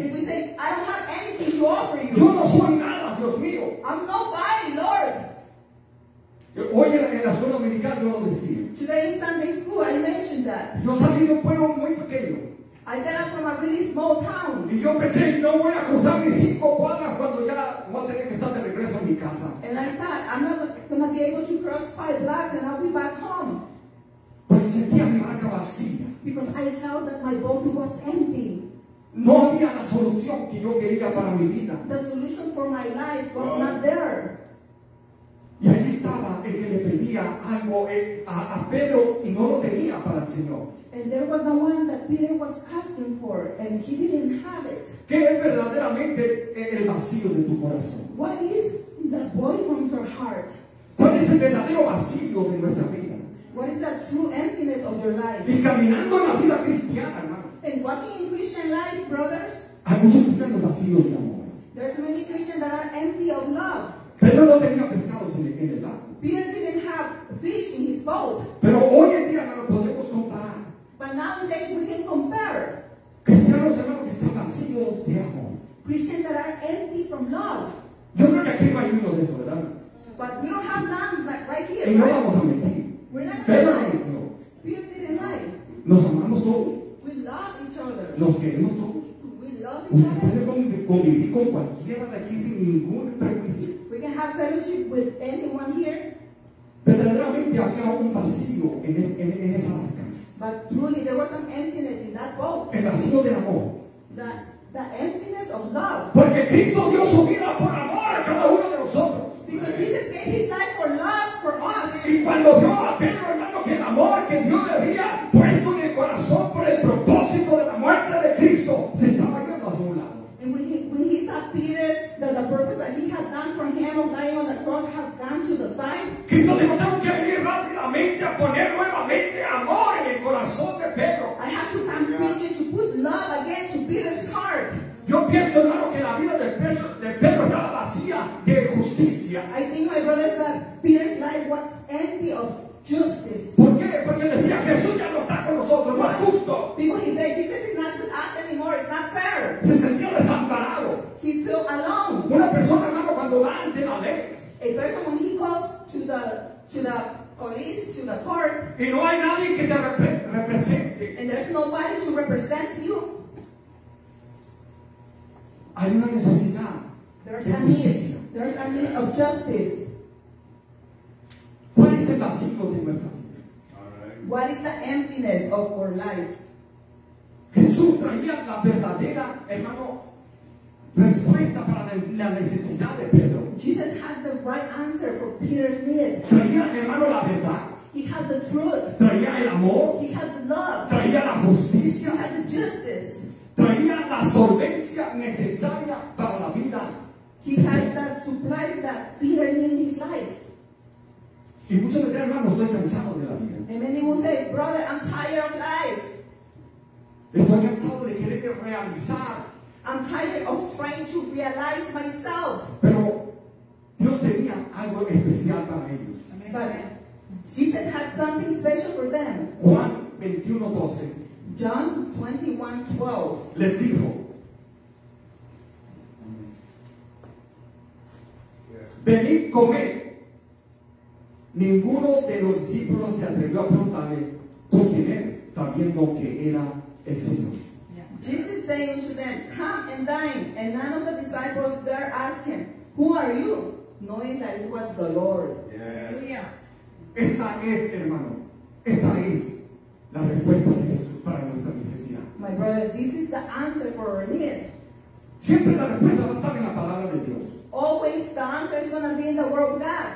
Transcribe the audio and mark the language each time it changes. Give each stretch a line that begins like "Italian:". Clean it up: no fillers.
English: And we say, I don't have anything to offer you.
Spanish: Yo no soy nada, Dios mío.
English: I'm nobody, Lord.
Spanish: Hoy en la escuela dominical yo lo decía.
English: Today in Sunday school I mentioned that.
Spanish: Yo salí de un pueblo muy pequeño.
English: I got up from a really small town.
Spanish: Y yo pensé, no voy a cruzar mis cinco cuadras cuando ya voy a tener que estar de regreso a mi mi casa.
English: And I thought, I'm not going to be able to cross 5 blocks and I'll be back home.
Spanish: Porque sentía mi barca vacía.
English: Because I felt that my boat was empty.
Spanish: No había la solución que yo quería para mi vida.
English: The solution for my life was not there.
Spanish: Y ahí estaba el que le pedía algo a Pedro y no lo tenía para el Señor.
English: And there was the one that Peter was asking for, and he didn't have it.
Spanish: ¿Qué es verdaderamente el vacío de tu corazón?
English: What is the void from your heart?
Spanish: ¿Cuál es el verdadero vacío de nuestra vida?
English: What is the true emptiness of your life?
Spanish: Y caminando en la vida cristiana, hermano.
English: And walking in Christian life, brothers.
Spanish: Hay muchos cristianos vacíos de amor.
English: There's many Christians that are empty of love.
Spanish: Pedro no tenía pescados en el barco.
English: Peter didn't have fish in his boat.
Spanish: Pero hoy en día, hermano, podemos comparar.
English: But nowadays we can compare.
Spanish: Cristianos, hermano, que están vacíos de amor.
English: Christians that are empty from love.
Spanish: Yo creo que aquí no hay uno de eso, ¿verdad?
English: But we don't have none but right here.
Spanish: Y
English: right?
Spanish: No vamos a mentir.
English: We're not
Spanish: Pedro
English: lie.
Spanish: No.
English: Peter didn't lie.
Spanish: Nos amamos todos.
English: We love each other.
Spanish: Nos queremos todos.
English: We love each other.
Spanish: Usted puede convivir con cualquiera de aquí sin ningún prejuicio.
English: We can have fellowship with anyone here.
Spanish: Verdaderamente había un vacío en esa barca.
English: But truly there was an emptiness in that boat.
Spanish: El vacío de amor.
English: The emptiness of love.
Spanish: Porque Cristo dio su vida por amor a cada uno de nosotros.
English: Because Jesus gave his life for love for us.
Spanish: Y cuando vio a Pedro, hermano, que el amor que Dios le había puesto en el corazón por el propósito de la muerte de Cristo se estaba yendo a su lado.
English: And when he saw Peter that the purpose that he had done for him of dying on the cross had gone to the side.
Spanish: Cristo dijo, tengo que venir rápidamente a poner nuevamente amor en el corazón de Pedro.
English: I have to continue to put love again to Peter's heart.
Spanish: Yo pienso, hermano, que la vida de Pedro estaba vacía de justicia.
English: I think, my brother, that Peter's life was empty of justice.
Spanish: ¿Por qué? Porque decía, Jesús ya no está con nosotros, no es justo.
English: Because he said, Jesus is not with us anymore, it's not fair.
Spanish: Se sentía desamparado.
English: He felt alone.
Spanish: Una persona, hermano, cuando va ante la ley.
English: A person, when he goes to the police, to the court.
Spanish: Y no hay nadie que te represente.
English: And there's nobody to represent you.
Spanish: Hay una necesidad.
English: There's a need. There's a need of justice.
Spanish: ¿Cuál es el vacío de nuestra vida?
English: What is the emptiness of our life?
Spanish: Jesús traía la verdadera, hermano, respuesta para la necesidad de Pedro.
English: Jesus had the right answer for Peter's need.
Spanish: Traía, hermano, la verdad.
English: He had the truth.
Spanish: Traía el amor.
English: He had love.
Spanish: Traía la justicia.
English: He had the justice.
Spanish: Traía la solvencia necesaria para la vida.
English: He had that supplies that Peter needed in his life.
Spanish: Y muchos dirán, hermano, estoy cansado de la vida.
English: And many will say, brother, I'm tired of life.
Spanish: Estoy cansado de quererte realizar.
English: I'm tired of trying to realize myself.
Spanish: Pero Dios tenía algo especial para ellos.
English: But Jesus had something special for them.
Spanish: Juan 21:12.
English: John 21:12.
Spanish: Les dijo. Venid, comed. Ninguno de los discípulos se atrevió a preguntarle por quién era, sabiendo que era el Señor.
English: Jesus saying unto them, come and dine. And none of the disciples there asked him, who are you? Knowing that it was the Lord. Yes. Yeah.
Spanish: Esta es, hermano, esta es la respuesta de Jesús para nuestra necesidad.
English: My brother, this is the answer for our need.
Spanish: Siempre la respuesta va a estar en la palabra de Dios.
English: Always the answer is going to be in the word of God.